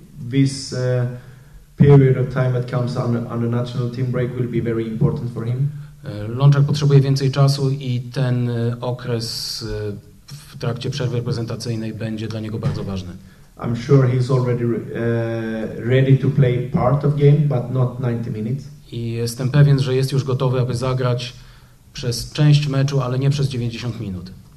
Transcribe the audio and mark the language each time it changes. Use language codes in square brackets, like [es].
[en] This period of time that comes on the national team break will be very important for him. [pl] Lončar potrzebuje więcej czasu i ten okres w trakcie przerwy reprezentacyjnej będzie dla niego bardzo ważny. [en] I'm sure he's already ready to play part of game, but not 90 minutes. [pl] I jestem pewien, że jest już gotowy, aby zagrać przez część meczu, ale nie przez 90 minut.